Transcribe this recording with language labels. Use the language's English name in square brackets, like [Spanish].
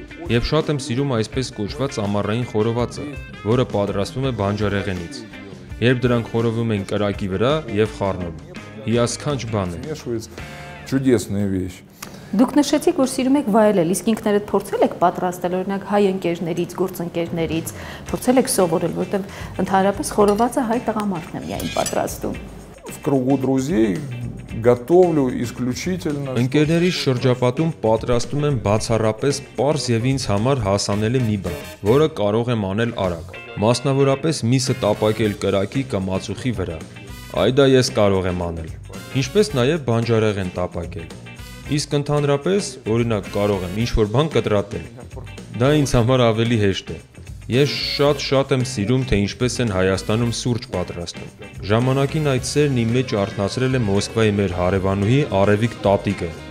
[Armenian] Եվ շատ եմ սիրում այսպես կոչված ամառային խորովածը, որը պատրաստվում է բանջարեղենից, երբ դրանք խորովում են կրակի վրա և խառնում, հիասքանչ բան է։ Դուք նշեցիք, որ սիրում եք վայելել, իսկ ինքներդ փորձել եք պատրաստել, օրինակ հայ ընկերներից, գործընկերներից, փորձել եք սովորել, որտեղ ընդհանրապես խորովածը հայ տղամարդն է միայն պատրաստում։ [Russian] В кругу друзей готовлю исключительно. [Armenian] Ընկերների շրջապատում պատրաստում եմ բացառապես պարզ եւ ինձ համար հասանելի մի բան, որը կարող եմ անել արագ։ Մասնավորապես միսը տապակել կրակի կամ ածուխի վրա։ Այդ դա ես կարող եմ անել։ Ինչպես նաեւ բանջարեղեն տապակել։ Իսկ ընդհանրապես, օրինակ, կարող եմ ինչ-որ բան կտրատել։ Դա ինձ համար ավելի հեշտ է։ Ես շատ-շատ եմ սիրում, թե ինչպես են Հայաստանում սուրճ պատրաստում։ Ժամանակին այդ սերն իմ մեջ արթնացրել է Մոսկվայի մեր հարևանուհի Արևիկ տատիկը։